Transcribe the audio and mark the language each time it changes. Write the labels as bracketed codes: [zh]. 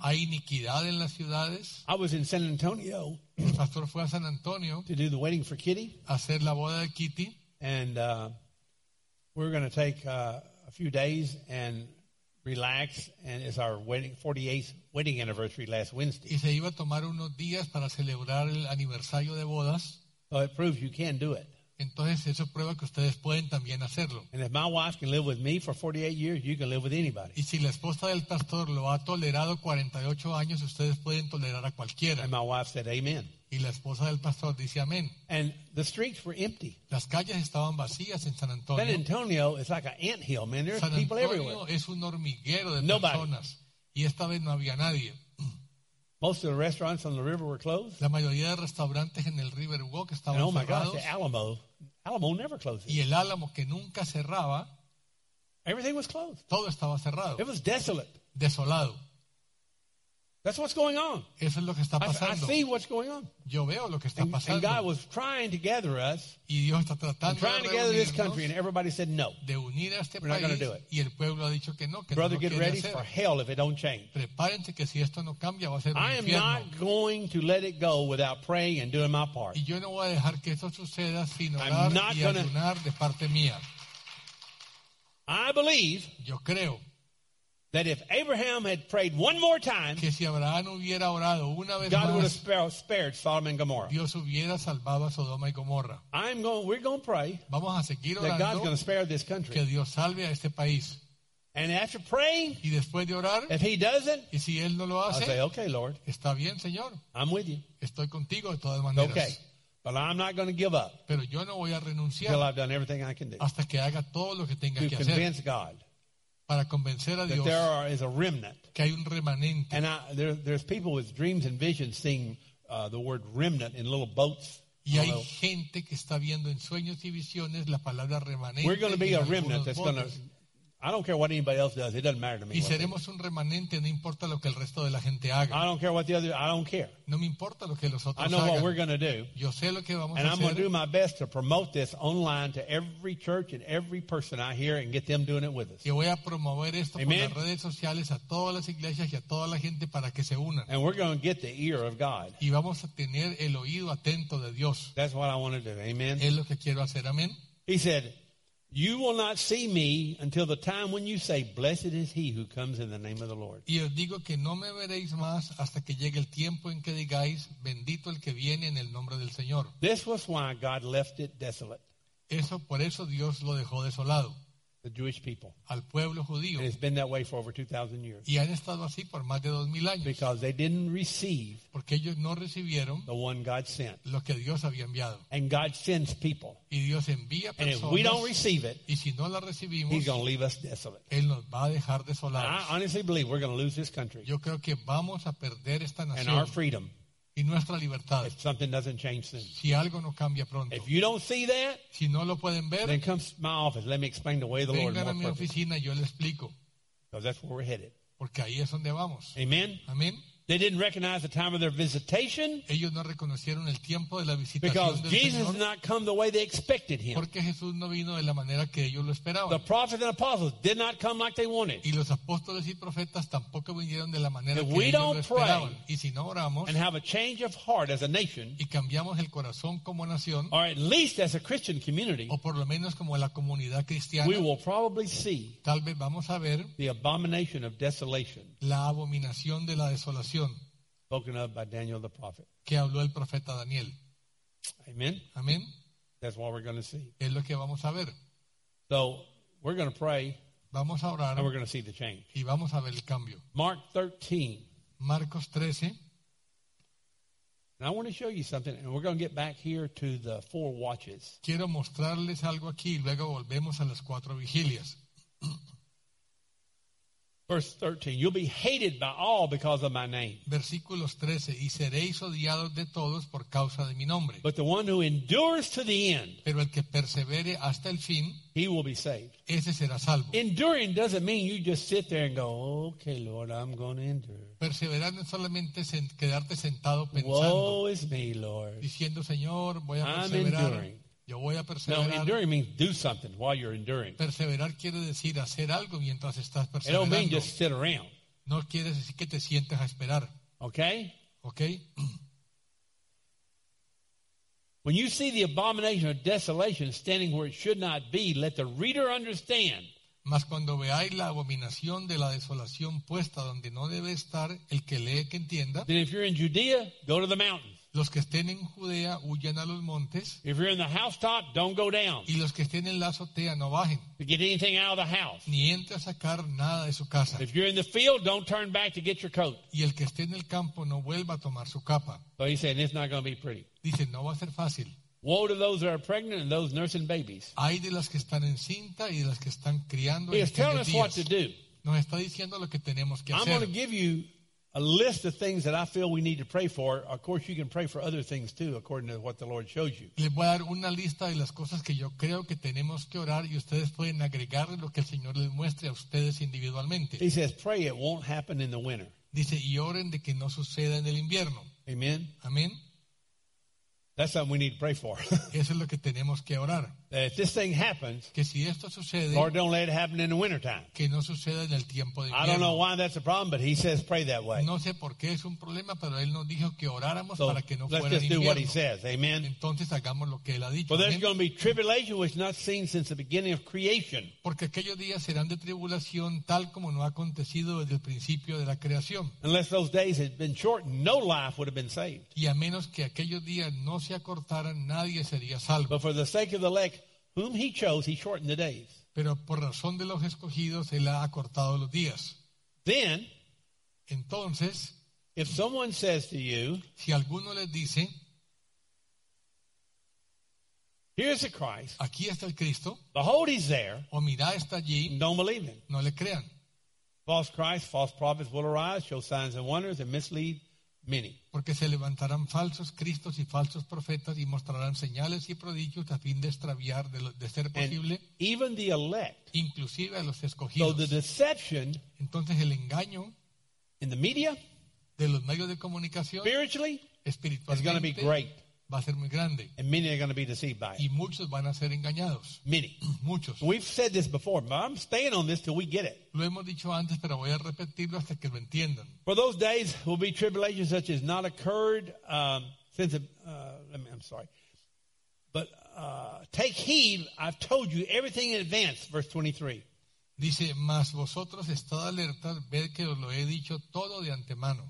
[es] Hay iniquidad en las ciudades. [en] I was in San Antonio. [es] El pastor fue a San Antonio [en] to do the wedding for Kitty. [es] Hacer la boda de Kitty. [en] And we're going to take a few days and relax, and it's our wedding, 48th wedding anniversary last Wednesday. [es] Y se iba a tomar unos días para celebrar el aniversario de bodas. [en] So it proves you can do it. [es] Entonces eso prueba que ustedes pueden también hacerlo. [en] And if my wife can live with me for 48 years, you can live with anybody. [es] Y si la esposa del pastor lo ha tolerado 48 años, ustedes pueden tolerar a cualquiera. [en] And my wife said, amen. [es] Y la esposa del pastor dice amén. [en] And the streets were empty. [es] Las calles estaban vacías en San Antonio. [en] San Antonio is like an anthill, man. There's people everywhere. [es] San Antonio es un hormiguero de [en] Nobody. [es] Personas. Y esta vez no había nadie. [en] Most of the restaurants on the river were closed. [es] La mayoría de restaurantes en el River Walk estaban [en] and oh my [es] cerrados. [en] Gosh, the Alamo never closes. [es] Y el Álamo que nunca cerraba. [en] Everything was closed. [es] Todo estaba cerrado. [en] It was desolate. [es] Desolado. [en] That's what's going on. [es] Eso es lo que está pasando. [en] I see what's going on. [es] Yo veo lo que está pasando. [en] And God was trying to gather us. [es] Y Dios está tratando [en] trying to gather this country, and everybody said no. [es] De unir a este [en] We're [es] país, [en] not going to do it. [es] Y el pueblo ha dicho que no, que [en] Brother, [es] no lo [en] get ready [es] hacer. [en] For hell if it don't change. [es] Prepárense que si esto no cambia, va a ser un [en] I am [es] infierno. [en] Not going to let it go without praying and doing my part. [es] Y yo no voy a dejar que esto suceda sin orar y ayunar de parte mía. [en] I believe. [es] Yo creo. [en] That if Abraham had prayed one more time, [es] que si Abraham hubiera orado una vez [en] God [es] más, [en] would have spared Sodom and Gomorrah. [es] Dios hubiera salvado a Sodoma y Gomorra. [en] We're going to pray [es] Vamos a seguir orando [en] that God's going to spare this country. [es] Que Dios salve a este país. [en] And after praying, [es] y después de orar, [en] if he doesn't, [es] y si él no lo hace, [en] I'll say, okay, Lord. [es] Está bien, Señor. [en] I'm with you. [es] Estoy contigo de todas maneras. [en] Okay. But I'm not going to give up [es] Pero yo no voy a renunciar [en] until I've done everything I can do. [es] Hasta que haga todo lo que tenga [en] to [es] que [en] convince [es] hacer. [en] God. [es] Para convencer a [en] that [es] Dios [en] there are, is a remnant. [es] Que hay un remanente. [en] And there's people with dreams and visions seeing the word remnant in little boats. [es] Y hay gente que está viendo en sueños y visiones la palabra remanente. [en] We're going to be a remnant that's going to, I don't care what anybody else does, it doesn't matter to me. [es] Y seremos un remanente, no importa lo que el resto de la gente haga. [en] I don't care what the other, I don't care. [es] No me importa lo que los otros [en] I know [es] hagan. [en] What we're going to do. [es] Yo sé lo que vamos [en] and [es] a [en] I'm [es] hacer. [en] And I'm going to do my best to promote this online to every church and every person I hear and get them doing it with us. [es] Y voy a promover esto [en] Amen. [es] Por las redes sociales a todas las iglesias y a toda la gente para que se unan. [en] And we're going to get the ear of God. [es] Y vamos a tener el oído atento de Dios. [en] That's what I want to do. Amen. [es] Es lo que quiero hacer. Amen. [en] He said, you will not see me until the time when you say, blessed is he who comes in the name of the Lord. [es] Y os digo que no me veréis más hasta que llegue el tiempo en que digáis, bendito el que viene en el nombre del Señor. [en] This was why God left it desolate. [es] Eso, por eso Dios lo dejó desolado. [en] The Jewish people. [es] Al pueblo judío. [en] And it's been that way for over 2,000 years. [es] Y han estado así por más de 2,000 años. [en] Because they didn't receive. [es] Porque ellos no recibieron. [en] The one God sent. [es] Lo que Dios había enviado. [en] And God sends people. [es] Y Dios envía personas. [en] And if we don't receive it. [es] Y si no la recibimos. [en] He's going to leave us desolate. [es] Él nos va a dejar desolados. [en] I honestly believe we're going to lose this country. [es] Yo creo que vamos a perder esta nación. [en] And our freedom. [es] Y nuestra libertad. [en] If something doesn't change soon. [es] Si algo no cambia pronto. [en] If you don't see that, [es] si no lo pueden ver, [en] then come to my office. Let me explain the way of the Lord. [es] Vengan a mi oficina, yo le explico. [en] Because that's where we're headed. [es] Porque ahí es donde vamos. [en] Amen. Amen. They didn't recognize the time of their visitation. [es] Ellos no reconocieron el tiempo de la visitación. [en] Because [es] del [en] Jesus [es] Señor, [en] did not come the way they expected him. [es] Porque Jesús no vino de la manera que ellos lo esperaban. [en] The prophets and apostles did not come like they wanted. [es] Y los apóstoles y profetas tampoco vinieron de la manera [en] if [es] que ellos lo esperaban. [en] Pray, [es] y si no oramos, [en] and have a change of heart as a nation, [es] y cambiamos el corazón como nación, [en] or at least as a Christian community, [es] o por lo menos como la comunidad cristiana, [en] we will probably see, [es] tal vez vamos a ver, [en] the abomination of desolation, [es] la abominación de la desolación. [en] Spoken of by Daniel the prophet. [es] Que habló el profeta Daniel. [en] Amen. [es] Amen. [en] That's what we're going to see. [es] Es lo que vamos a ver. [en] So we're going to pray. [es] Vamos a orar. [en] And we're going to see the change. [es] Y vamos a ver el cambio. [en] Mark 13. [es] Marcos 13. [en] And I want to show you something, and we're going to get back here to the four watches. [es] Quiero mostrarles algo aquí, y luego volvemos a las cuatro vigilias. [en] Verse 13, you'll be hated by all because of my name. [es] Versículos 13, y seréis odiados de todos por causa de mi nombre. [en] But the one who endures to the end, [es] pero el que persevere hasta el fin, [en] he will be saved. [es] Ese será salvo. [en] Enduring doesn't mean you just sit there and go, okay, Lord, I'm going to endure. [es] Perseverar no es solamente quedarte sentado pensando. [en] Woe is me, Lord. [es] Diciendo, Señor, voy a perseverar. [en] I'm enduring. [es] Yo voy a perseverar. [en] No, enduring means do something while you're enduring. [es] Perseverar quiere decir hacer algo mientras estás perseverando. [en] It don't mean just sit around. [es] No quiere decir que te sientes a esperar. [en] Okay? [es] Okay? [en] When you see the abomination of desolation standing where it should not be, let the reader understand. [es] Mas cuando veáis la abominación de la desolación puesta donde no debe estar, el que lee que entienda. [en] Then if you're in Judea, go to the mountains. [es] Los que estén en Judea huyan a los montes. [en] If you're in the housetop, don't go down. [es] Y los que estén en la azotea no bajen. [en] To get anything out of the house. [es] Ni entre a sacar nada de su casa. [en] If you're in the field, don't turn back to get your coat. [es] Y el que esté en el campo no vuelva a tomar su capa. [en] But he's saying it's not going to be pretty. [es] Dice, no va a ser fácil. [en] Woe to those that are pregnant and those nursing babies. [es] Ay de las que están en cinta y de las que están criando. [en] He is telling us what to do. [es] Nos está diciendo lo que tenemos que hacer. [en] I'm going to give you a list of things that I feel we need to pray for. Of course, you can pray for other things too, according to what the Lord shows you. [es] Les voy a dar una lista de las cosas que yo creo que tenemos que orar, y ustedes pueden agregar lo que el Señor les muestre a ustedes individualmente. [en] He says, pray it won't happen in the winter. [es] Dice, y oren de que no suceda en el invierno. [en] Amen. Amen. That's something we need to pray for. [es] Eso es lo que tenemos que orar. [en] If this thing happens, [es] que si esto sucede, [en] Lord, don't let it happen in the wintertime. [es] Que no suceda en el tiempo de invierno. [en] I don't know why that's a problem, but he says pray that way. [es] No sé por qué es un problema, pero él nos dijo que oráramos para que no fuera invierno. [en] Let's just do what he says. Amen. [es] Entonces hagamos lo que él ha dicho. [en] Well, there's going to be tribulation which not seen since the beginning of creation. [es] Porque aquellos días serán de tribulación tal como no ha acontecido desde el principio de la creación. [en] Unless those days had been shortened, no life would have been saved. [es] Y a menos que aquellos días no se acortaran, nadie sería salvo. [en] But for the sake of the elect, whom he chose, he shortened the days. [es] Pero por razón de los escogidos, él ha acortado los días. [en] Then, [es] entonces, [en] if someone says to you, [es] si alguno les dice, [en] here's the Christ, [es] aquí está el Cristo, [en] behold, he's there, [es] o mira, está allí, [en] don't believe him. [es] No le crean. [en] False Christ, false prophets will arise, show signs and wonders, and mislead many. [es] Porque se levantarán falsos cristos y falsos profetas y mostrarán señales y prodigios a fin de extraviar, de ser posible, [en] and even the elect, [es] inclusive a los escogidos. [en] So the deception, [es] entonces el engaño, [en] in the media, [es] de los medios de comunicación, [en] spiritually, [es] espiritualmente, [en] is going to be great, [es] va a ser muy grande, [en] and many are going to be deceived by it. [es] Y muchos van a ser engañados. [en] Many. [es] Muchos. [en] We've said this before, but I'm staying on this till we get it. [es] Lo hemos dicho antes, pero voy a repetirlo hasta que lo entiendan. [en] For those days will be tribulation such as not occurred since. I'm sorry, but take heed. I've told you everything in advance. Verse 23. [es] Dice, mas vosotros estad alertas, ved que os lo he dicho todo de antemano.